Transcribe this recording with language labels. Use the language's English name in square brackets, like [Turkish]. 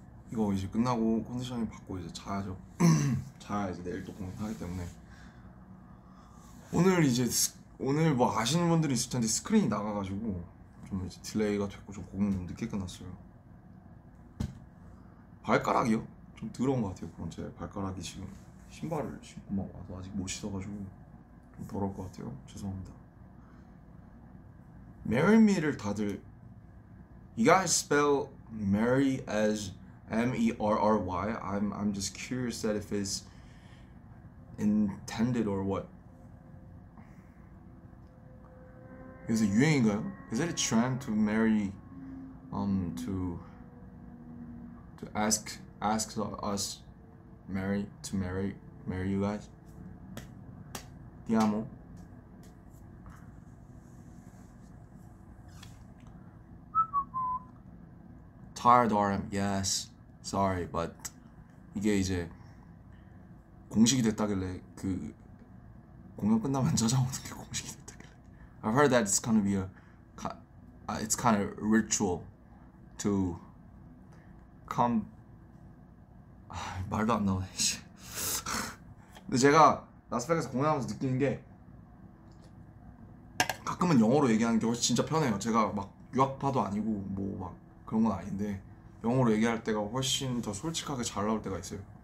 [Korean] 이거 이제 끝나고 컨디션이 받고 이제 자야죠. 자야 이제 내일 또 공연하기 때문에 오늘 이제 오늘 뭐 아시는 분들이 있을 텐데 스크린이 나가가지고 좀 이제 딜레이가 됐고 좀 공연 좀 늦게 끝났어요. 발가락이요? 좀 더러운 것 같아요. 그럼 제 발가락이 지금 신발을 신고 막 와서 아직 못 씻어가지고 좀 더러울 것 같아요. 죄송합니다. [English] Marry me를 다들 You guys spell marry as merry? I'm just curious that if it's intended or what. [Korean] 요새 유행인가요? [English] Is it a trend to marry, to ask us marry you guys? [Italian] Ti amo. [Korean] 타이어드 RM, yes. [English] Sorry, but [Korean] 이게 이제 공식이 됐다길래 그 공연 끝나면 찾아오는 게 공식이. [English] I've heard that it's gonna be a, it's kind of ritual to come. [Korean] 말도 안 나오네. 근데 제가 라스베가스 공연하면서 느끼는 게 가끔은 영어로 얘기하는 게 훨씬 진짜 편해요. 제가 막 유학파도 아니고 뭐막 그런 건 아닌데 영어로 얘기할 때가 훨씬 더 솔직하게 잘 나올 때가 있어요.